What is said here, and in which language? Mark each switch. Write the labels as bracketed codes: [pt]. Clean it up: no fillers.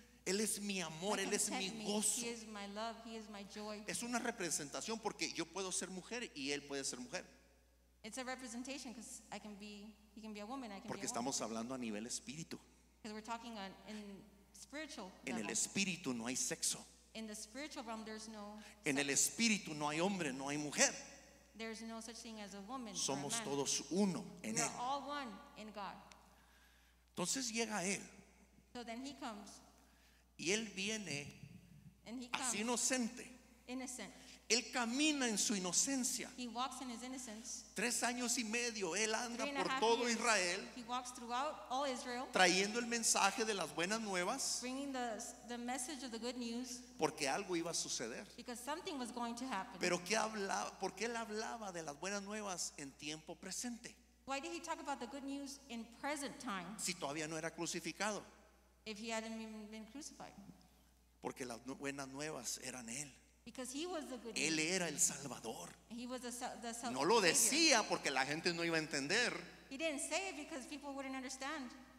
[es] Él es mi amor, Él es mi gozo. [en] He is my love, He is my joy. [es] Es una representación porque yo puedo ser mujer y Él puede ser mujer. [en] It's a representation because I can be, He can be a woman, I can be a [es] porque estamos [en] woman. [es] Hablando a nivel espíritu. [en] Because we're talking on, in spiritual level. [es] En el espíritu no hay sexo. [en] In the spiritual realm there's no sex. [es] En el espíritu no hay hombre, no hay mujer. [en] There's no such thing as a woman. [es] Somos todos uno en Él. [en] We're all one in God. [es] Entonces llega Él. [en] So then He comes. [es] Y él viene [en] and he [es] así [en] comes, [es] inocente. [en] Innocent. [es] Él camina en su inocencia. [en] He walks in his innocence. [es] 3 años y medio él anda por todo Israel, [en] he walks throughout all Israel [es] trayendo el mensaje de las buenas nuevas, [en] bringing the message of the good news, [es] porque algo iba a suceder. [en] Because something was going to happen. [es] Pero ¿qué hablaba? ¿Por qué él hablaba de las buenas nuevas en tiempo presente? [en] Why did he talk about the good news in present time? [es] Si todavía no era crucificado. [en] If he hadn't even been crucified. [es] Porque las buenas nuevas eran Él. [en] Because he was the good news. [es] Él era el Salvador. [en] He was the Savior. [es] No lo decía porque la gente no iba a entender. [en] He didn't say it because people wouldn't understand.